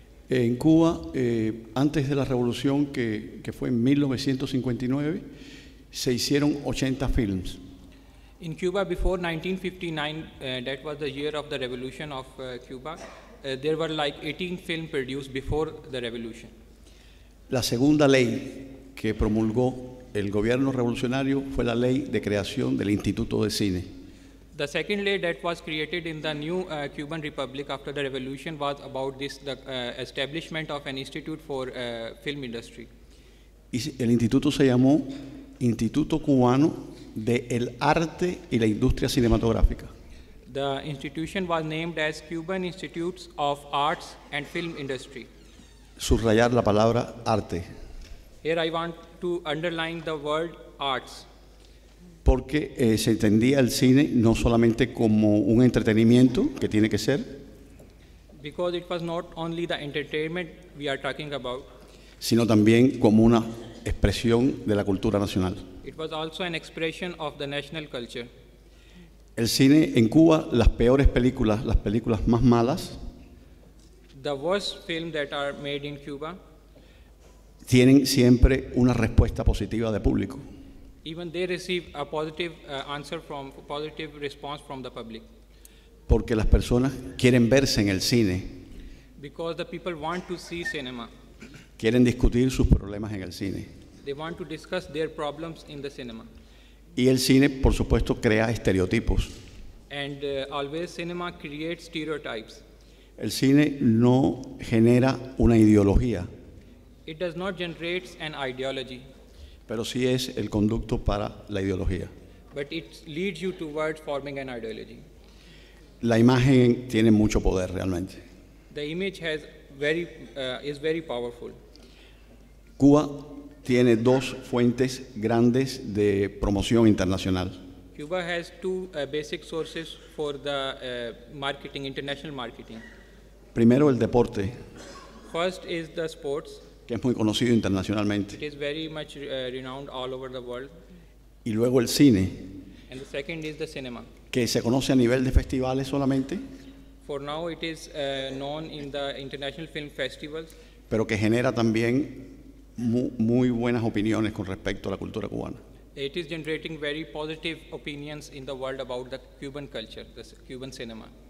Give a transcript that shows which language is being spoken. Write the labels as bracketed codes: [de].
[es] En Cuba, antes de la revolución que fue en 1959, se hicieron 80 films. [en] In Cuba, before 1959, that was the year of the revolution of Cuba, there were like 18 films produced before the revolution. [es] La segunda ley que promulgó el gobierno revolucionario fue la ley de creación del Instituto de Cine. [en] The second law that was created in the new Cuban Republic after the revolution was about this, the establishment of an institute for film industry. [es] El instituto se llamó Instituto Cubano de el Arte y la Industria Cinematográfica. [en] The institution was named as Cuban Institutes of Arts and Film Industry. [es] Subrayar la palabra arte. [en] Here I want to underline the word arts. [es] Porque se entendía el cine no solamente como un entretenimiento, que tiene que ser. [en] Because it was not only the entertainment we are talking about. [es] Sino también como una expresión de la cultura nacional. [en] It was also an expression of the national culture. [es] El cine en Cuba, las peores películas, las películas más malas. [en] The worst film that are made in Cuba. [es] Tienen siempre una respuesta positiva de público. [en] Even they receive a positive answer from a positive response from the public. [es] Porque las personas quieren verse en el cine. [en] Because the people want to see cinema. [es] Quieren discutir sus problemas en el cine. [en] They want to discuss their problems in the cinema. [es] Y el cine, por supuesto, crea estereotipos. [en] And always cinema creates stereotypes. [es] El cine no genera una ideología. [en] It does not generate an ideology. [es] Pero sí es el conducto para la ideología. [en] But it leads you towards forming an ideology. [es] La imagen tiene mucho poder realmente. [en] The image has very, is very powerful. [es] Cuba tiene dos fuentes grandes de promoción internacional. [en] Cuba has two basic sources for the marketing, international marketing. [es] Primero el deporte. [en] First is the sports. [es] que es muy conocido internacionalmente. [en] It is very much renowned all over the world. [es] Y luego el cine. [en] And the second is the cinema. [es] Que se conoce a nivel de festivales solamente. [en] For now it is known in the international film festivals. [es] Pero que genera también muy buenas opiniones con respecto a la cultura cubana. [en] It is generating very positive opinions in the world about the Cuban culture, the Cuban cinema.